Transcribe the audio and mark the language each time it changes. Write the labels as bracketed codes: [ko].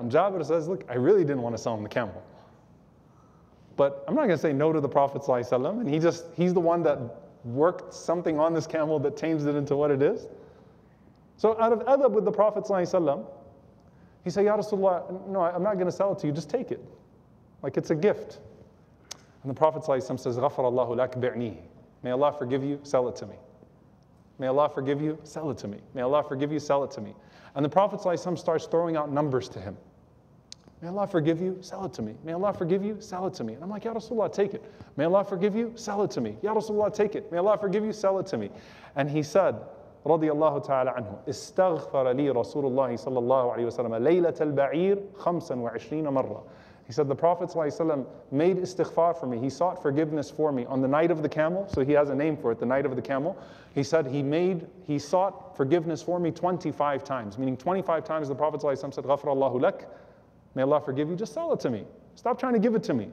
[en] And Jabir says, look, I really didn't want to sell him the camel. But I'm not going to say no to the Prophet ﷺ. And he's the one that worked something on this camel that changed it into what it is. So out of adab with the Prophet ﷺ, he said, Ya Rasulullah, no, I'm not going to sell it to you. Just take it. Like, it's a gift. And the Prophet ﷺ says, [ar] غَفَرَ اللَّهُ لَكَ بِعْنِيهِ. [en] May Allah forgive you, sell it to me. May Allah forgive you, sell it to me. May Allah forgive you, sell it to me. And the Prophet ﷺ starts throwing out numbers to him. May Allah forgive you, sell it to me. May Allah forgive you, sell it to me. And I'm like, Ya Rasulullah, take it. May Allah forgive you, sell it to me. Ya Rasulullah, take it. May Allah forgive you, sell it to me. And he said, [ar] radiyallahu ta'ala anhu, استغفر لي رسول الله صلى الله عليه وسلم ليلة البعير 25 مرة. [en] He said, the Prophet ﷺ made istighfar for me. He sought forgiveness for me on the night of the camel. So he has a name for it, the night of the camel. He said, he sought forgiveness for me 25 times. Meaning 25 times the Prophet ﷺ said, [ar] غَفْرَ اللَّهُ لَكَ. [en] May Allah forgive you. Just sell it to me. Stop trying to give it to me.